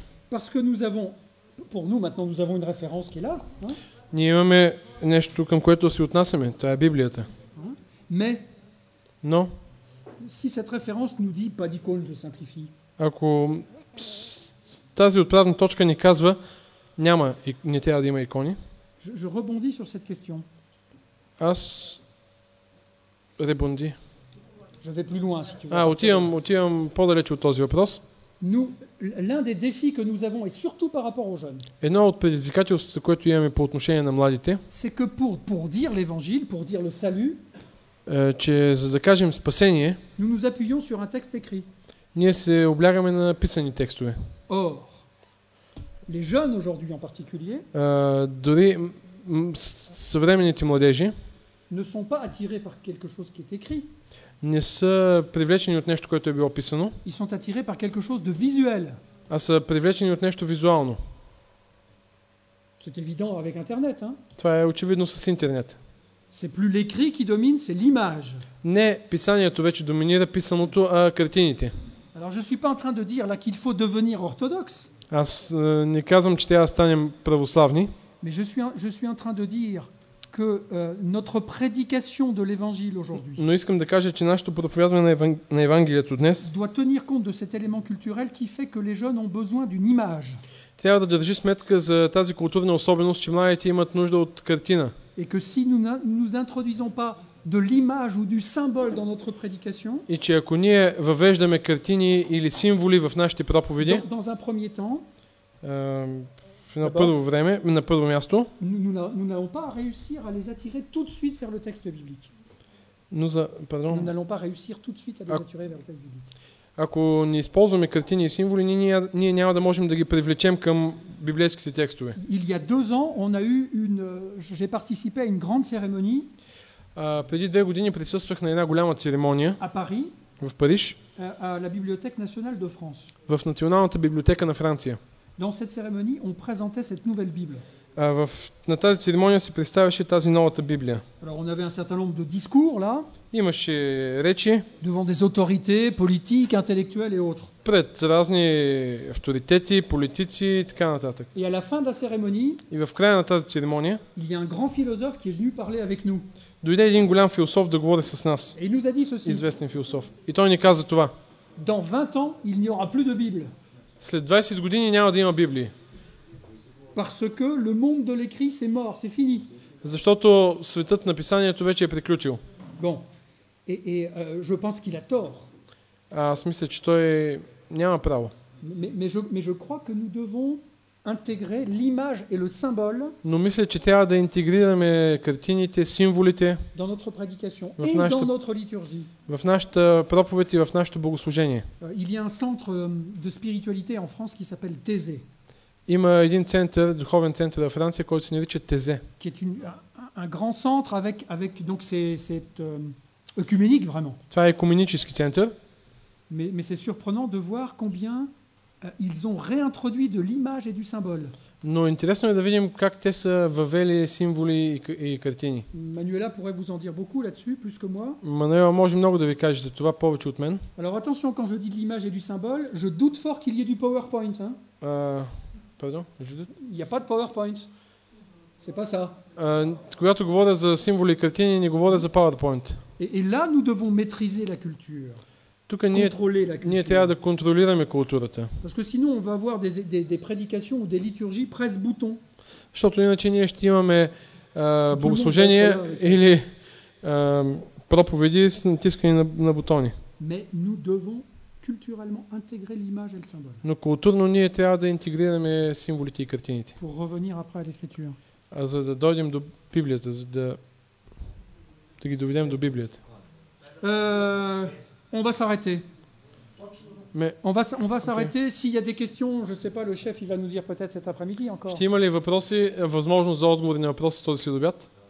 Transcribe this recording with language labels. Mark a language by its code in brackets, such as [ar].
[fr] parce que nous avons pour nous maintenant nous avons une référence qui est là, hein? [bg] Ние имаме нещо към което се отнасяме, това е Библията. [fr] Mais non. Si cette référence nous dit pas d'icône, je simplifie. [bg] Ако тази отправна точка ни казва няма и не трябва да има икони. [fr] Je rebondis sur cette question. [bg] Аз ребонди. [fr] Je vais plus loin, si tu veux. [bg] Ah, отивам по-далеч от този въпрос. [fr] Nous, l'un des défis que nous avons, et surtout par rapport aux jeunes, [bg] едно от предизвикателството, което имаме по отношение на младите, [fr] c'est que pour dire l'Évangile, pour dire le salut, [bg] че за да кажем спасение, [fr] nous nous appuyons sur un texte écrit. [bg] Ние се облягаме на написани текстове. [fr] Or, les jeunes aujourd'hui en particulier, [bg] дори съвременните младежи, [fr] ne sont pas attirés par quelque chose qui est écrit. [bg] Не са привлечени от нещо, което е било описано. [fr] Ils sont attirés par quelque chose de visuel. [bg] А са привлечени от нещо визуално. [fr] C'est évident avec internet, hein? [bg] Това е очевидно с интернет. [fr] C'est plus l'écrit qui domine, c'est l'image. [bg] Не писанието вече доминира, писаното, а картините. [fr] Alors je suis pas en train de dire là qu'il faut devenir orthodoxe. [bg] Аз не казвам, че трябва да станем православни. [fr] Mais je suis en train de dire que notre prédication de l'évangile aujourd'hui. [bg] Но искам да кажа, че нашето проповядване на Евангелието днес [fr] doit tenir compte de cet élément culturel qui fait que les jeunes ont besoin d'une image. [bg] Трябва да държи сметка за тази културна особеност, че младите имат нужда от картина. [fr] Et que si nous ne nous introduisons pas de l'image ou du symbole dans notre prédication, [bg] и че ако ние въвеждаме картини или символи в нашите проповеди, [fr] dans un premier temps, [bg] на първо време, на първо място, [fr] nous n'allons pas réussir à les attirer tout de suite vers le texte biblique. Nous n'allons pas réussir tout de suite à les attirer vers le texte biblique. [bg] Ако не използваме картини и символи, ние няма да можем да ги привлечем към библейските текстове. [fr] Il y a deux ans, on a eu une j'ai participé à une grande cérémonie. [bg] Преди две години присъствах на една голяма церемония [fr] à Paris, [bg] в Париж, [fr] à la Bibliothèque nationale de France. [bg] В Националната библиотека на Франция. [fr] Dans cette cérémonie, on présentait cette nouvelle Bible. [bg] На тази церемония се представяше тази новата Библия. [fr] Alors, on avait un certain nombre de discours là. [bg] Имаше речи. [fr] Devant des autorités politiques, intellectuelles et autres. [bg] Пред разни авторитети, политици и така нататък. [fr] Et à la fin de la cérémonie, [bg] и в края на тази церемония, [fr] il y a un grand philosophe qui est venu parler avec nous. [bg] Дойде един голям философ да говори с нас. [fr] Et il nous a dit ceci. [bg] Известен философ. И той ни каза това. [fr] Dans 20 ans, il n'y aura plus de Bible. [bg] След 20 години няма да има Библии. [fr] Parce que le monde de l'écrit c'est mort, c'est fini. [bg] Защото светът на писанието вече е приключил. [fr] Bon. Et je pense qu'il a tort. [bg] Аз мисля, че той няма право. [fr] Mais je crois que nous devons intégrer l'image et le symbole. [bg] Но мисля, че трябва да интегрираме картините, символите [fr] dans notre prédication et dans notre liturgie. [bg] В нашата проповед и в нашето богослужение. [fr] Il y a un centre de spiritualité en France qui s'appelle Thésée. [bg] Има един център, духовен център във Франция, който се нарича Тезе. [fr] Qui est un grand centre avec donc c'est œcuménique vraiment. [bg] Това е œcuménique център. [fr] Mais c'est surprenant de voir combien ils ont réintroduit de l'image et du symbole. [bg] Но интересно е да видим как те са въвели символи и картини. [fr] Manuela pourrait vous en dire beaucoup là-dessus plus que moi. [bg] Manuela може много да ви каже за това повече от мен. [fr] Alors attention quand je dis de l'image et du symbole, je doute fort qu'il y ait du PowerPoint, hein. Il n'y a pas de PowerPoint. C'est pas ça. [bg] Когато говоря за символи и картини, не говоря за PowerPoint. [fr] Et là, nous devons maîtriser la culture. [bg] Тук ние трябва да контролираме културата. [fr] Parce que sinon, on va avoir des prédications ou des liturgies presse-bouton. [bg] Защото иначе ние ще имаме богослужение или проповеди с натискане на бутони. [fr] Mais nous devons culturellement intégrer l'image et le symbole. [bg] Но културно ние трябва да интегрираме символите и картините. [fr] Pour revenir après à l'écriture. [bg] За да дойдем до Библията, за да ги доведем до Библията. [fr] On va s'arrêter. Mais on va s'arrêter. Okay. S'il y a des questions, je ne sais pas, le chef il va nous dire peut-être cet après-midi encore. [bg] Ще има ли въпроси, възможност за отговор на въпроси този следобед?